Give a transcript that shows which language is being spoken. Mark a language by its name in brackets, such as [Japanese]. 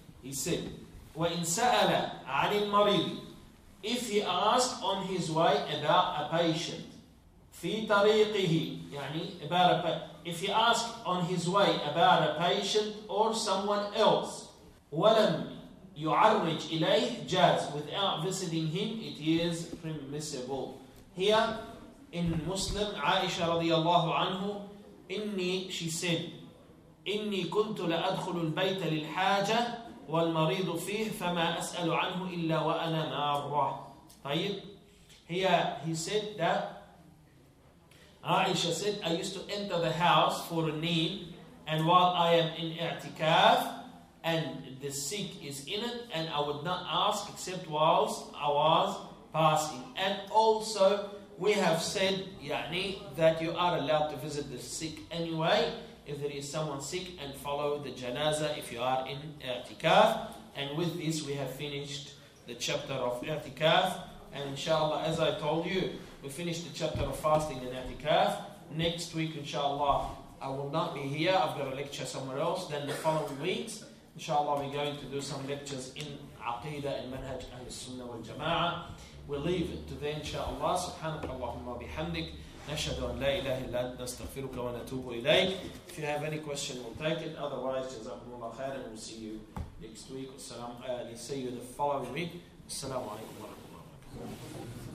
[English] He said, [Arabic] وَإِنْ سَأَلَ عَنِ الْمَرِيضِ, [English] if he asked on his way about a patient, [Arabic] في طريقه, [English] if he asked on his way about a patient or someone else, [Arabic] ولم يعرج إليه جاز, [English] without visiting him, it is permissible. [Arabic] Here in Muslim, Aisha radiallahu anhu, she said, إني كنت لأدخل البيت للحاجة والمريض فيه فما أسأل عنه إلا وأنا مارة. طيب. [English] He said that Aisha said, I used to enter the house for a need, and while I am in i'tikaf and the sick is in it, and I would not ask except whilst I was passing. And also we have said that you are allowed to visit the sick anyway if there is someone sick, and follow the janazah if you are in i'tikaf. And with this we have finished the chapter of i'tikaf, and inshallah, as I told you, we finished the chapter of fasting and i'tikaf. Next week, inshallah, I will not be here. I've got a lecture somewhere else. Then the following weeks, inshallah, we're going to do some lectures in Aqeedah and Manhaj Ahl-Sunnah wal-Jama'ah. We'll leave it to then, inshallah. [Arabic] Subhanakallahumma bihamdik. نشهد أن لا إله إلا أنت نستغفرك ونتوب إليك. [English] If you have any question, we'll take it. Otherwise, [Arabic] جزاكم الله خير. [English] And we'll see you next week. [Arabic] السلام. [English] We'll see you the following week. [Arabic] السلام عليكم ورحمة الله وبركاته.